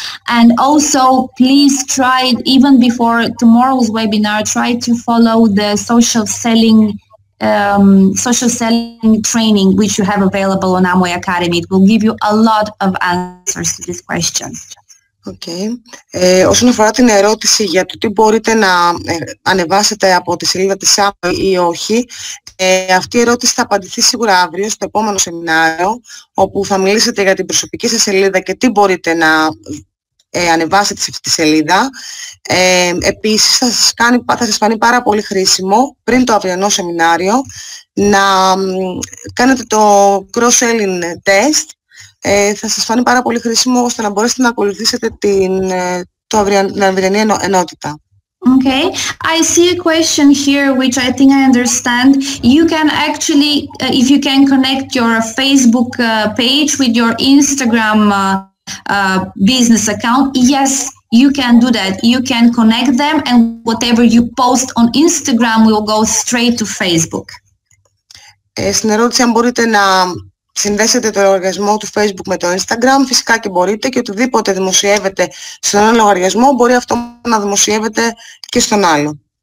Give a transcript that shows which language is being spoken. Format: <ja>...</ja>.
<en>And also, please try, even before tomorrow's webinar, try to follow the social selling training which you have available on Amway Academy. It will give you a lot of answers to this question. Okay.</en> <el>Όσον αφορά την ερώτηση για το τι μπορείτε να ανεβάσετε από τη σελίδα της Amway ή όχι, αυτή η ερώτηση θα απαντηθεί σίγουρα αύριο στο επόμενο σεμινάριο, όπου θα μιλήσετε για την προσωπική σας σελίδα και τι μπορείτε να ανεβάσετε σε αυτή τη σελίδα. Επίσης, θα σας φανεί πάρα πολύ χρήσιμο πριν το αυριανό σεμινάριο να κάνετε το cross-selling test. Θα σας φανεί πάρα πολύ χρήσιμο ώστε να μπορέσετε να ακολουθήσετε την αυριανή ενότητα.</el> <en>Okay, I see a question here which I think I understand. You can actually, if you can connect your Facebook page with your Instagram business account, yes, you can do that. You can connect them and whatever you post on Instagram will go straight to Facebook.</en> <el>Στην ερώτηση αν μπορείτε να συνδέσετε το λογαριασμό του Facebook με το Instagram, φυσικά και μπορείτε, και οτιδήποτε δημοσιεύετε στον ένα λογαριασμό μπορεί αυτό να δημοσιεύετται και στον άλλο.</el>